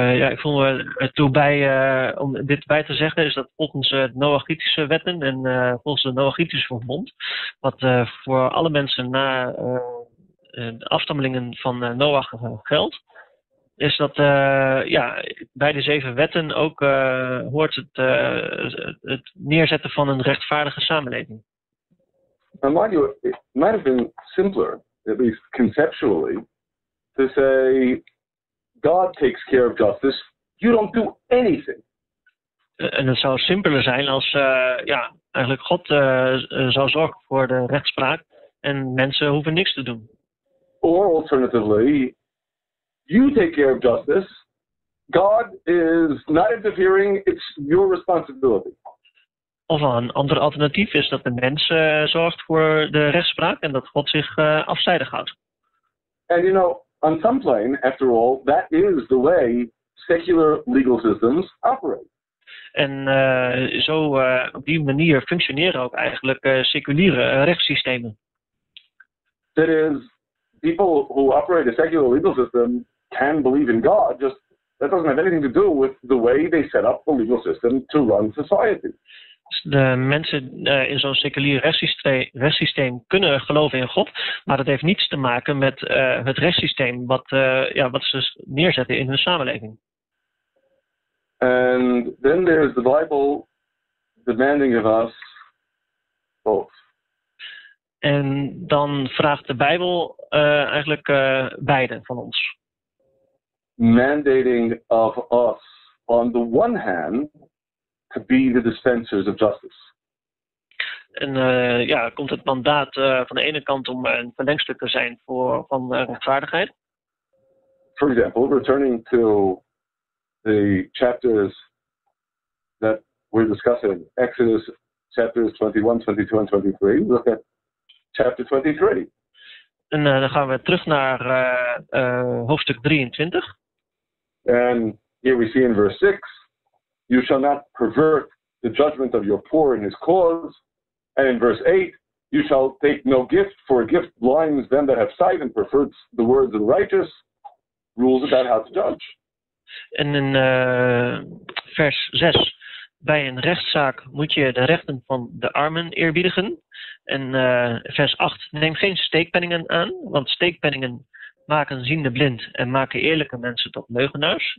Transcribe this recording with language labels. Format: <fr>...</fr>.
<nl>Ik voel me er toe bij om dit bij te zeggen, is dat volgens de Noachitische wetten en volgens de Noachitische verbond, wat voor alle mensen na de afstammelingen van Noach geldt, is dat bij de zeven wetten ook hoort het neerzetten van een rechtvaardige samenleving.</nl> <en>Now, mind you, it might have been simpler, at least conceptually, to say God takes care of justice, you don't do anything.</en> <nl>En het zou simpeler zijn als eigenlijk God zou zorgen voor de rechtspraak en mensen hoeven niks te doen.</nl> <en>Or alternatively, you take care of justice, God is not interfering, it's your responsibility.</en> <nl>Of een ander alternatief is dat de mens zorgt voor de rechtspraak en dat God zich afzijdig houdt.</nl> <en>And you know, on some plane, after all, that is the way secular legal systems operate.</en> <nl>En zo op die manier functioneren ook eigenlijk seculiere rechtssystemen.</nl> <en>That is, people who operate a secular legal system can believe in God, just that doesn't have anything to do with the way they set up the legal system to run society.</en> <nl>De mensen in zo'n seculier rechtssysteem kunnen geloven in God, maar dat heeft niets te maken met het rechtssysteem wat ze neerzetten in hun samenleving.</nl> <en>And then there is the Bible demanding of us both.</en> <nl>En dan vraagt de Bijbel eigenlijk beide van ons.</nl> <en>Mandating of us on the one hand to be the dispensers of justice.</en> <nl>En komt het mandaat van de ene kant om een verlengstuk te zijn van rechtvaardigheid?</nl> <en>For example, returning to the chapters that we're discussing, Exodus chapters 21, 22 and 23, look at chapter 23.</en> <nl>En dan gaan we terug naar hoofdstuk 23.</nl> <en>And here we see in verse 6, you shall not pervert the judgment of your poor in his cause. And in verse 8, you shall take no gift, for a gift blinds them that have sight and perverts the words of the righteous. Rules about how to judge.</en> <nl>En in vers 6, bij een rechtszaak moet je de rechten van de armen eerbiedigen. En vers 8, neem geen steekpenningen aan, want steekpenningen maken ziende blind en maken eerlijke mensen tot leugenaars.</nl>